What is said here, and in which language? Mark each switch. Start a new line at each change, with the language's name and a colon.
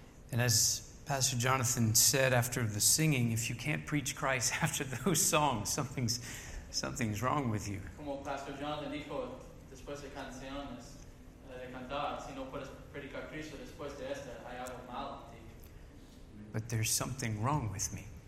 English: And as Pastor Jonathan said after the singing, if you can't preach Christ after those songs, something's wrong with you.
Spanish: Como Pastor Jonathan dijo después de canciones, de cantar, si no puedes predicar Cristo después de esta, hay algo malo en ti.
English: But there's something wrong with me.